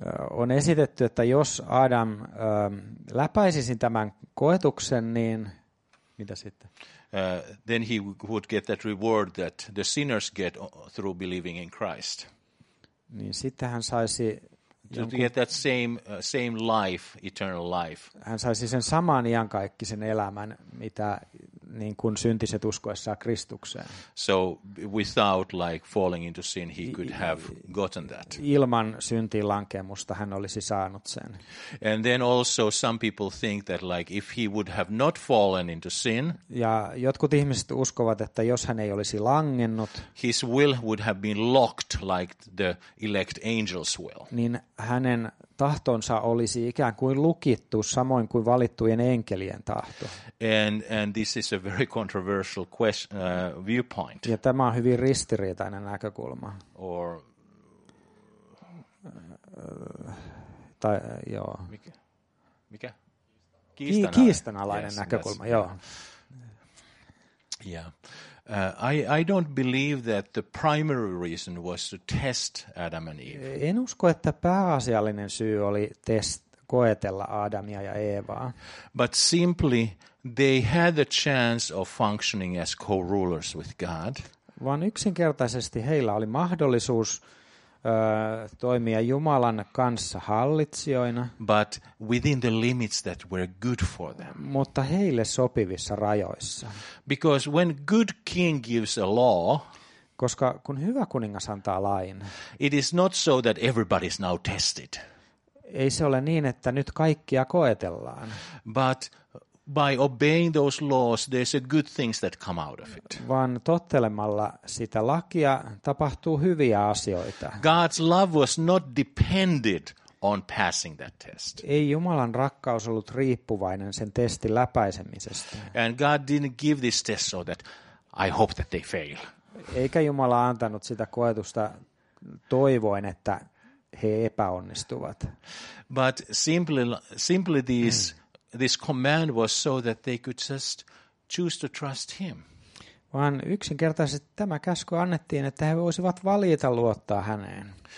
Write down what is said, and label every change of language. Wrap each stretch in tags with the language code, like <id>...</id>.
<fi>On esitetty, että jos Adam läpäisisi tämän koetuksen, niin mitä sitten?</fi> <en>Then he would get that reward that the sinners get through believing in Christ.</en> <fi>Niin sitten hän saisi</fi> <en>get that same life, eternal life.</en> <fi>Hän saisi sen saman iankaikkisen elämän, mitä niin kuin syntiset uskoessaan Kristukseen.</fi> <en>So without like falling into sin he could have gotten that.</en> <fi>Ilman syntiin lankemusta hän olisi saanut sen.</fi> <en>And then also some people think that like if he would have not fallen into sin.</en> <fi>Ja jotkut ihmiset uskovat, että jos hän ei olisi langennut,</fi> <en>his will would have been locked like the elect angel's will.</en> <fi>Niin hänen tahtonsa olisi ikään kuin lukittu samoin kuin valittujen enkelien tahto.</fi> <en>And this is a very controversial question, viewpoint.</en> <fi>Ja tämä on hyvin ristiriitainen näkökulma.</fi> <en>Or</en> <fi>tai joo. Mikä? Kiistanalainen yes, näkökulma, joo.</fi> <en>Yeah. I don't believe that the primary reason was to test Adam and Eve.</en> <fi>En usko, että pääasiallinen syy oli koetella Aadamia ja Eevaa.</fi> <en>But simply they had the chance of functioning as co-rulers with God.</en> <fi>Vaan yksinkertaisesti heillä oli mahdollisuus toimia Jumalan kanssa hallitsijoina,</fi> <en>but within the limits that were good for them.</en> <fi>Mutta heille sopivissa rajoissa.</fi> <en>Because when good king gives a law,</en> <fi>koska kun hyvä kuningas antaa lain,</fi> <en>it is not so that everybody is now tested.</en> <fi>Ei se ole niin, että nyt kaikkia koetellaan.</fi> <en>But by obeying those laws, there's a good things that come out of it.</en> <fi>Vaan tottelemalla sitä lakia tapahtuu hyviä asioita.</fi> <en>God's love was not dependent on passing that test.</en> <fi>Ei Jumalan rakkaus ollut riippuvainen sen testin läpäisemisestä.</fi> <en>And God didn't give this test so that I hope that they fail.</en> <fi>Eikä Jumala antanut sitä koetusta toivoen, että he epäonnistuvat.</fi> <en>But simply this command was so that they could just choose to trust him.</en> <fi>Vaan yksinkertaisesti tämä käsky annettiin, että he voisivat valita luottaa häneen.</fi>